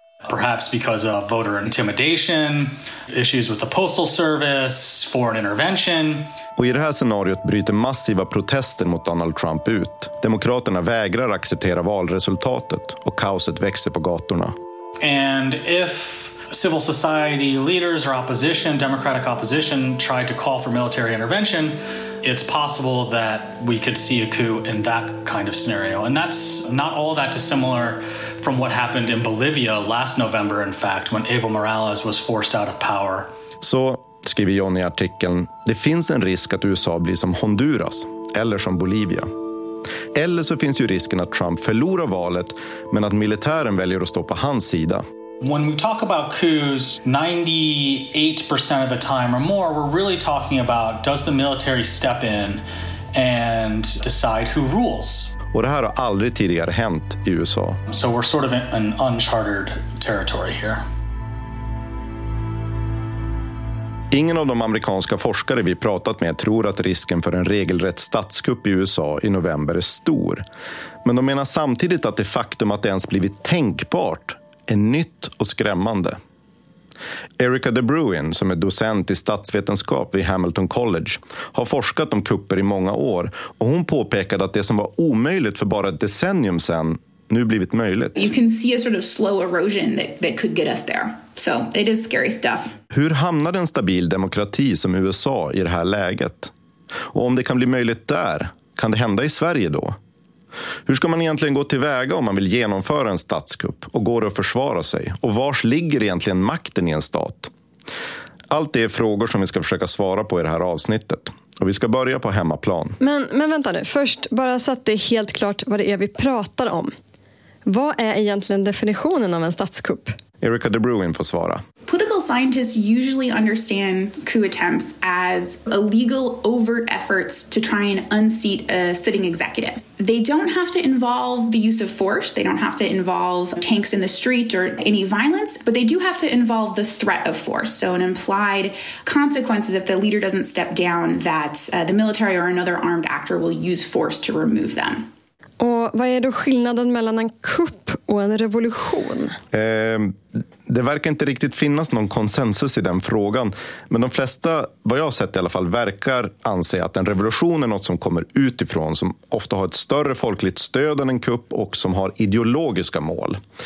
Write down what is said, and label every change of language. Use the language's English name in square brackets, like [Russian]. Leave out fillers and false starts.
[English] Perhaps because of voter intimidation, issues with the postal service, foreign intervention. [Swedish] Och i det här scenariot bryter massiva protester mot Donald Trump ut. Demokraterna vägrar acceptera valresultatet och kaoset växer på gatorna. [English] And if civil society leaders or opposition, democratic opposition, try to call for military intervention, it's possible that we could see a coup in that kind of scenario. And that's not all that dissimilar from what happened in Bolivia last November, in fact, when Evo Morales was forced out of power. [Swedish] Så, skriver John i artikeln, det finns en risk att USA blir som Honduras eller som Bolivia. Eller så finns ju risken att Trump förlorar valet, men att militären väljer att stå på hans sida. [English] When we talk about coups, 98% of the time or more, we're really talking about, does the military step in and decide who rules? [Swedish] Och det här har aldrig tidigare hänt i USA. [English] So we're sort of in an uncharted territory here. [Swedish] Ingen av de amerikanska forskare vi pratat med tror att risken för en regelrätt statskupp i USA i november är stor. Men de menar samtidigt att det faktum att det ens blivit tänkbart är nytt och skrämmande. Erica De Bruin, som är docent i statsvetenskap vid Hamilton College, har forskat om kupper i många år. Och hon påpekade att det som var omöjligt för bara ett decennium sedan nu blivit möjligt. [English] You can see a sort of slow erosion that could get us there. So it is scary stuff. [Swedish] Hur hamnar en stabil demokrati som USA i det här läget? Och om det kan bli möjligt där, kan det hända i Sverige då? Hur ska man egentligen gå tillväga om man vill genomföra en statskupp och går det att försvara sig? Och vars ligger egentligen makten i en stat? Allt det är frågor som vi ska försöka svara på i det här avsnittet. Och vi ska börja på hemmaplan. Men vänta nu, först bara så att det är helt klart vad det är vi pratar om. Vad är egentligen definitionen av en statskupp? Erica De Bruin får svara. [English] Political scientists usually understand coup attempts as illegal overt efforts to try and unseat a sitting executive. They don't have to involve the use of force, they don't have to involve tanks in the street or any violence, but they do have to involve the threat of force. So an implied consequence is if the leader doesn't step down that the military or another armed actor will use force to remove them. [Swedish] Och vad är då skillnaden mellan en kupp och en revolution? Det verkar inte riktigt finnas någon konsensus i den frågan. Men de flesta, vad jag har sett i alla fall, verkar anse att en revolution är något som kommer utifrån. Som ofta har ett större folkligt stöd än en kupp och som har ideologiska mål.